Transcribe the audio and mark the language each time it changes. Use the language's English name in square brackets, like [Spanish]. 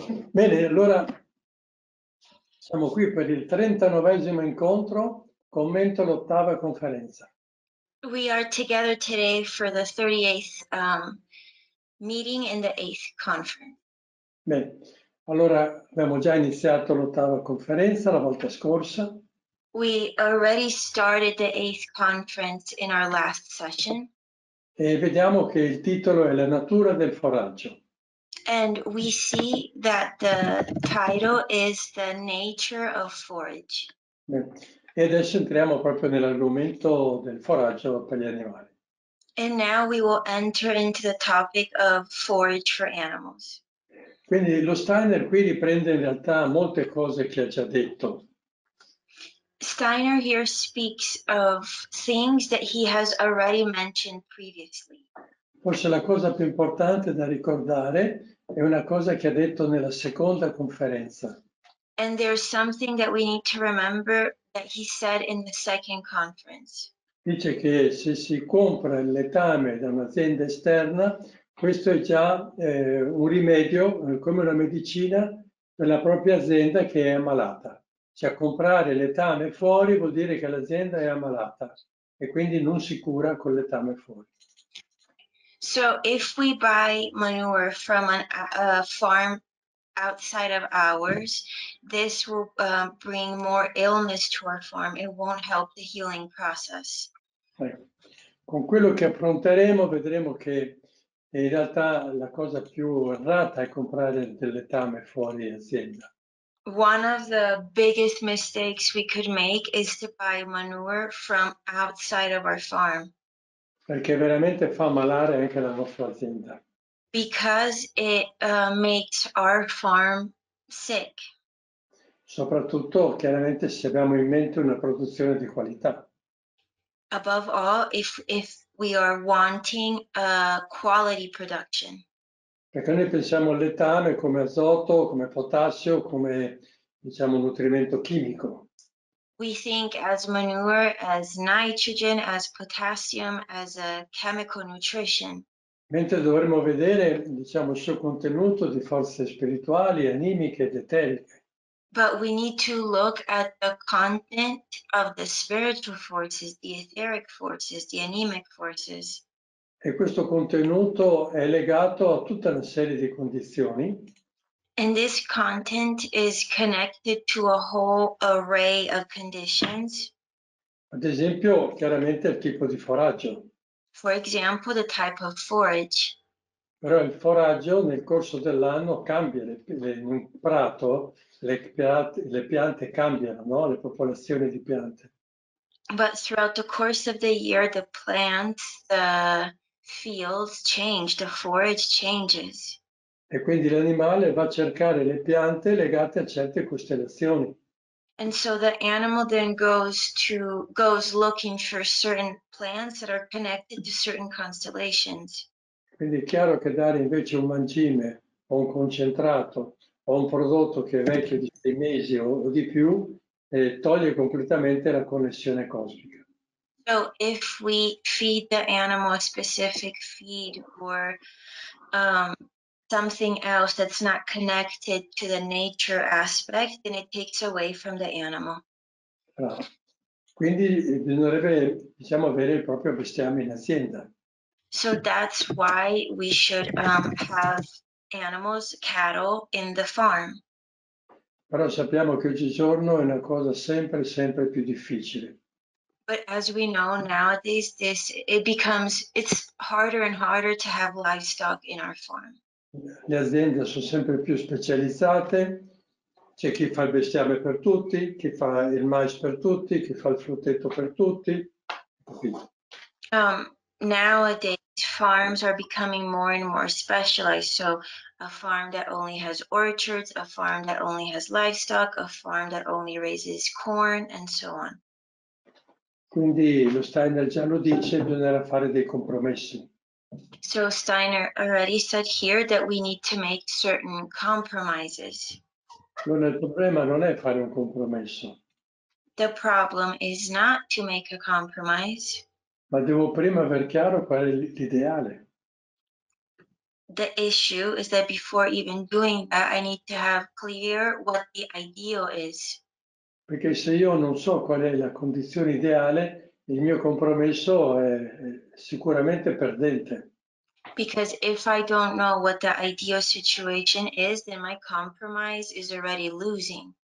[Italian] Bene, allora siamo qui per il 39esimo incontro, commento l'ottava conferenza. [English] We are together today for the 38th meeting in the 8th conference. [Italian] Bene, allora abbiamo già iniziato l'ottava conferenza la volta scorsa. [English] We already started the 8th conference in our last session. [Italian] E vediamo che il titolo è La natura del foraggio. [English] And we see that the title is The Nature of Forage. [Italian] E adesso entriamo proprio nell'argomento del foraggio per gli animali. [English] And now we will enter into the topic of forage for animals. [Italian] Quindi lo Steiner qui riprende in realtà molte cose che ha già detto. [English] Steiner here speaks of things that he has already mentioned previously. [Italian] Forse la cosa più importante da ricordare è una cosa che ha detto nella seconda conferenza. [English] And there's something that we need to remember that he said in the second conference. [Italian] Dice che se si compra il letame da un'azienda esterna, questo è già un rimedio, come una medicina, per la propria azienda che è ammalata. Cioè, comprare letame fuori vuol dire che l'azienda è ammalata e quindi non si cura con letame fuori. [English] So if we buy manure from a farm outside of ours, this will bring more illness to our farm. It won't help the healing process. [Italian] Con quello che affronteremo vedremo che in realtà la cosa più errata è comprare del letame fuori azienda. [English] One of the biggest mistakes we could make is to buy manure from outside of our farm. [Italian] Perché veramente fa malare anche la nostra azienda. [English] Because it makes our farm sick. [Italian] Soprattutto, chiaramente, se abbiamo in mente una produzione di qualità. [English] Above all, if we are wanting a quality production. [Italian] Perché noi pensiamo al letame come azoto, come potassio, come diciamo nutrimento chimico. [English] We think as manure, as nitrogen, as potassium, as a chemical nutrition. [Italian] Mentre dovremmo vedere, diciamo, il suo contenuto di forze spirituali, animiche ed eteriche. [English] But we need to look at the content of the spiritual forces, the etheric forces, the animic forces. [Italian] E questo contenuto è legato a tutta una serie di condizioni. [English] And this content is connected to a whole array of conditions. [Italian] Ad esempio, chiaramente il tipo di foraggio. [English] For example, the type of forage. [Italian] Però il foraggio nel corso dell'anno cambia, in un prato le piante cambiano, no? Le popolazioni di piante. [English] But throughout the course of the year, the plants, the fields change, the forage changes. [Italian] E quindi l'animale va a cercare le piante legate a certe costellazioni. [English] And so the animal then goes looking for certain plants that are connected to certain constellations. [Italian] Quindi è chiaro che dare invece un mangime o un concentrato o un prodotto che è vecchio di 6 mesi o di più toglie completamente la connessione cosmica. [English] So if we feed the animal a specific feed or something else that's not connected to the nature aspect, then it takes away from the animal. [Italian] Quindi bisognerebbe, diciamo, avere il proprio bestiame in azienda. [English] So that's why we should have animals, cattle, in the farm. [Italian] Però sappiamo che oggigiorno è una cosa sempre, sempre più difficile. [English] But as we know nowadays, it's harder and harder to have livestock in our farm. [Italian] Le aziende sono sempre più specializzate, c'è chi fa il bestiame per tutti, chi fa il mais per tutti, chi fa il frutteto per tutti. [English] Nowadays farms are becoming more and more specialized, so a farm that only has orchards, a farm that only has livestock, a farm that only raises corn, and so on. [Italian] Quindi lo Steiner già lo dice, bisognerà fare dei compromessi. [English] So Steiner already said here that we need to make certain compromises. [Italian] Non è il problema, non è fare un compromesso. [English] the problem is not to make a compromise. [Italian] Ma devo prima aver chiaro qual è l'ideale. [English] The issue is that before even doing that, I need to have clear what the ideal is. [Italian] Perché se io non so qual è la condizione ideale, il mio compromesso è sicuramente perdente. [English] Because if I don't know what the ideal situation is, then my compromise is already losing.